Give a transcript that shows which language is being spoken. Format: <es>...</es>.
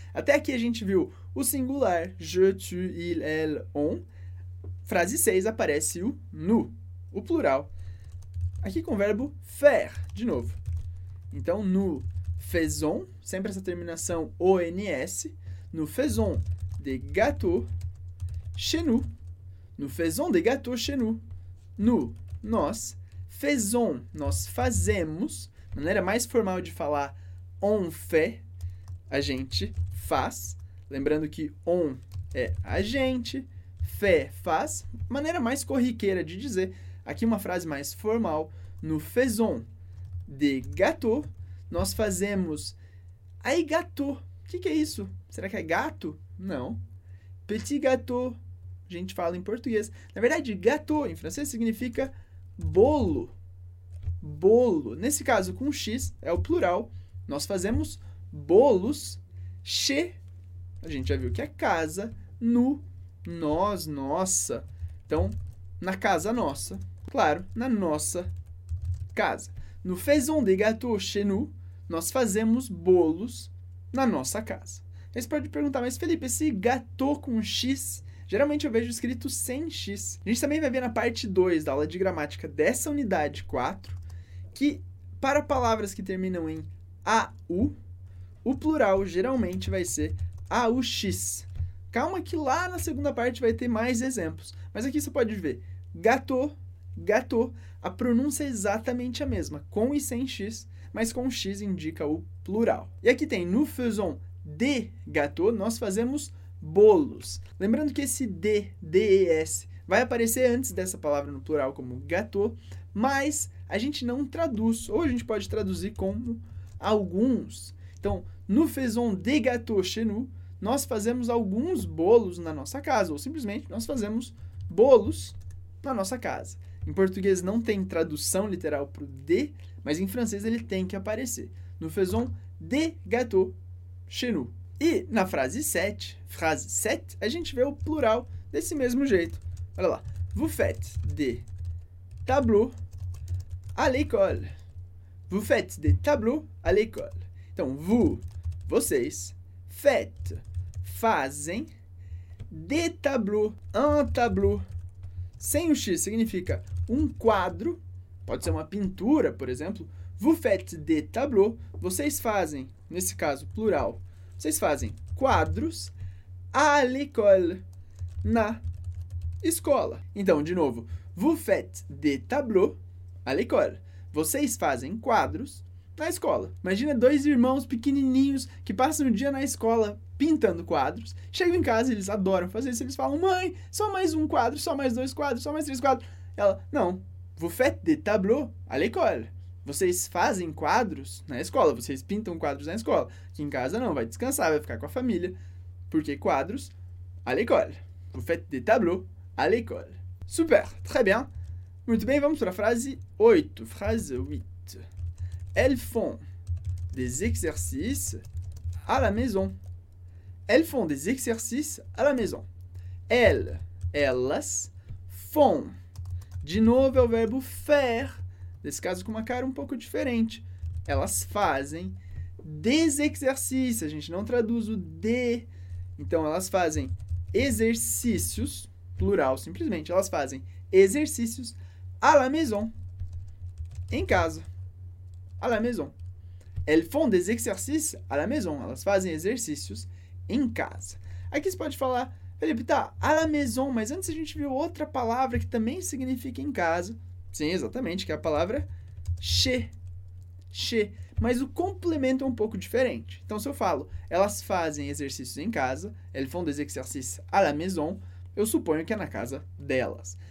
<pt>Até aqui a gente viu o singular. Je, tu, il, elle, on. Frase 6 aparece o nous, o plural. Aqui com o verbo faire, de novo. Então, nous faisons, sempre essa terminação ONS.</pt> <fr>Nous faisons des gâteaux chez nous. Nous faisons des gâteaux chez nous. Nous.</fr> <pt>Nós, faisons, nós fazemos, maneira mais formal de falar on fait, a gente faz, lembrando que on é a gente, fait, faz, maneira mais corriqueira de dizer, aqui uma frase mais formal,</pt> <fr>nous faisons des gâteaux,</fr> <pt>nós fazemos, aí gâteau, que é isso? Será que é gato? Não, petit gâteau, a gente fala em português, na verdade gâteau em francês significa bolo, bolo. Nesse caso, com X, é o plural. Nós fazemos bolos. Che, a gente já viu que é casa. Nu, nós, nossa. Então, na casa nossa. Claro, na nossa casa.</pt> <fr>Nous faisons des gâteaux chez nous.</fr> <pt>Nós fazemos bolos na nossa casa. Aí você pode perguntar, mas Felipe, esse gâteau com X Geralmente eu vejo escrito sem x. A gente também vai ver na parte 2 da aula de gramática dessa unidade 4 que para palavras que terminam em AU, o plural geralmente vai ser AUX. Calma que lá na segunda parte vai ter mais exemplos. Mas aqui você pode ver gâteau, gâteau, a pronúncia é exatamente a mesma, com e sem x, mas com x indica o plural. E aqui tem</pt> <fr>nous faisons des gâteaux,</fr> <pt>nós fazemos bolos. Lembrando que esse D, D-E-S, vai aparecer antes dessa palavra no plural como gâteau, mas a gente não traduz, ou a gente pode traduzir como alguns. Então,</pt> <fr>nous faisons des gâteaux chez nous,</fr> <pt>nós fazemos alguns bolos na nossa casa, ou simplesmente nós fazemos bolos na nossa casa. Em português não tem tradução literal para o D, mas em francês ele tem que aparecer.</pt> <fr>Nous faisons des gâteaux chez nous.</fr> <pt>E na frase 7, a gente vê o plural desse mesmo jeito. Olha lá.</pt> <fr>Vous faites des tableaux à l'école. Vous faites des tableaux à l'école.</fr> <pt>Então, vous, vocês, faites, fazem, des tableaux, un tableau, sem o X, significa um quadro, pode ser uma pintura, por exemplo.</pt> <fr>Vous faites des tableaux,</fr> <pt>vocês fazem, nesse caso, plural, vocês fazem quadros</pt> <fr>à l'école,</fr> <pt>na escola. Então, de novo,</pt> <fr>vous faites des tableaux à l'école.</fr> <pt>Vocês fazem quadros na escola. Imagina dois irmãos pequenininhos que passam o dia na escola pintando quadros. Chegam em casa, eles adoram fazer isso. Eles falam, mãe, só mais um quadro, só mais dois quadros, só mais três quadros. Ela, não,</pt> <fr>vous faites des tableaux à l'école.</fr> <pt>Vocês fazem quadros na escola, vocês pintam quadros na escola. Aqui em casa não, vai descansar, vai ficar com a família. Porque quadros</pt> <fr>à l'école. Vous faites des tableaux à l'école. Super, très bien.</fr> <pt>Muito bem, vamos para a frase 8. Frase 8.</pt> <fr>Elles font des exercices à la maison. Elles font des exercices à la maison.</fr> <pt>Elles, elas, font. De novo é o verbo faire. Nesse caso, com uma cara um pouco diferente. Elas fazem des exercices. A gente não traduz o de. Então, elas fazem exercícios, plural, simplesmente. Elas fazem exercícios</pt> <fr>à la maison,</fr> <pt>em casa. À la maison.</pt> <fr>Elles font des exercices à la maison.</fr> <pt>Elas fazem exercícios em casa. Aqui você pode falar, Felipe, tá,</pt> <fr>à la maison,</fr> <pt>mas antes a gente viu outra palavra que também significa em casa. Sim, exatamente, que é a palavra chez. Chez. Mas o complemento é um pouco diferente. Então, se eu falo, elas fazem exercícios em casa,</pt> <fr>elles font des exercices à la maison,</fr> <pt>eu suponho que é na casa delas.</pt>